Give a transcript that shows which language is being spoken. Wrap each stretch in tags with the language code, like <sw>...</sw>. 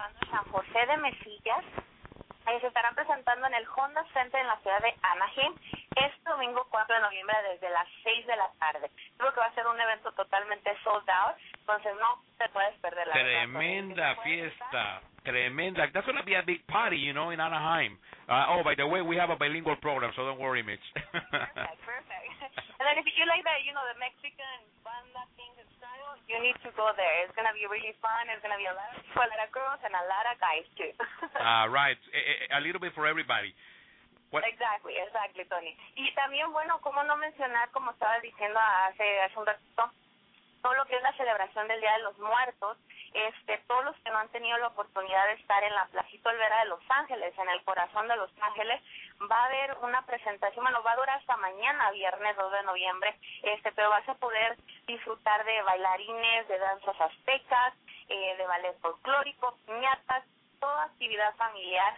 <es>San José de Mesillas. Ahí se estarán presentando en el Honda Center en la ciudad de Anaheim este domingo 4 de noviembre desde las 6 de la tarde. Creo que va a ser un evento totalmente sold out, entonces no te puedes perder la tremenda fiesta. Tremenda.</es> <en>That's going to be a big party, you know, in Anaheim. Oh, by the way, we have a bilingual program, so don't worry, Mitch. Perfect. And then if you like that, you know, the Mexican banda thing and style, you need to go there. It's going to be really fun. It's going to be a lot of people, a lot of girls, and a lot of guys, too. right. A little bit for everybody. What? Exactly, Tony.</en> <es>Y también, bueno, cómo no mencionar, como estaba diciendo hace un ratito, todo lo que es la celebración del Día de los Muertos. Todos los que no han tenido la oportunidad de estar en la Placita Olvera de Los Ángeles, en el corazón de Los Ángeles, va a haber una presentación, bueno, va a durar hasta mañana, viernes 2 de noviembre, pero vas a poder disfrutar de bailarines, de danzas aztecas, de ballet folclórico, piñatas, toda actividad familiar.</es>